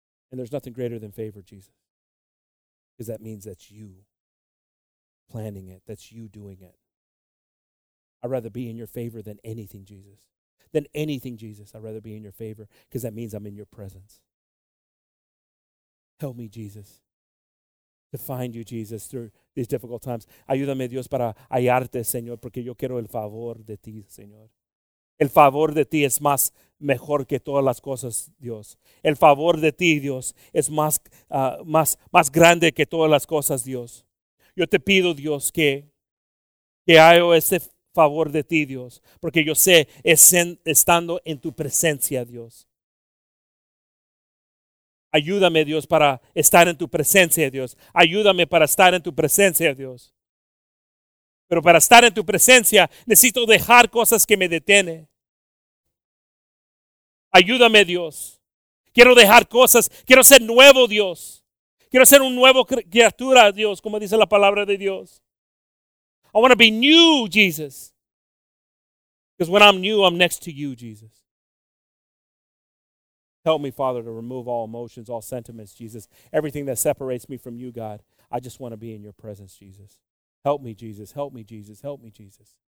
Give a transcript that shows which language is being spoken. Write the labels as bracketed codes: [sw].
[en] And there's nothing greater than favor, Jesus, because that means that's you planning it, that's you doing it. I'd rather be in your favor than anything, Jesus, I'd rather be in your favor because that means I'm in your presence. Help me, Jesus, to find you, Jesus, through these difficult times. [es] Ayúdame, Dios, para hallarte, Señor, porque yo quiero el favor de ti, Señor. El favor de ti es más mejor que todas las cosas, Dios. El favor de ti, Dios, es más grande que todas las cosas, Dios. Yo te pido, Dios, que haya ese favor de ti, Dios, porque yo sé, estando en tu presencia, Dios. Ayúdame, Dios, para estar en tu presencia, Dios. Ayúdame para estar en tu presencia, Dios. Pero para estar en tu presencia, necesito dejar cosas que me detienen. Ayúdame, Dios. Quiero dejar cosas. Quiero ser nuevo, Dios. Quiero ser un nuevo criatura, Dios, como dice la palabra de Dios. [en] I want to be new, Jesus. Because when I'm new, I'm next to you, Jesus. Help me, Father, to remove all emotions, all sentiments, Jesus. Everything that separates me from you, God, I just want to be in your presence, Jesus. Help me, Jesus. Help me, Jesus. Help me, Jesus.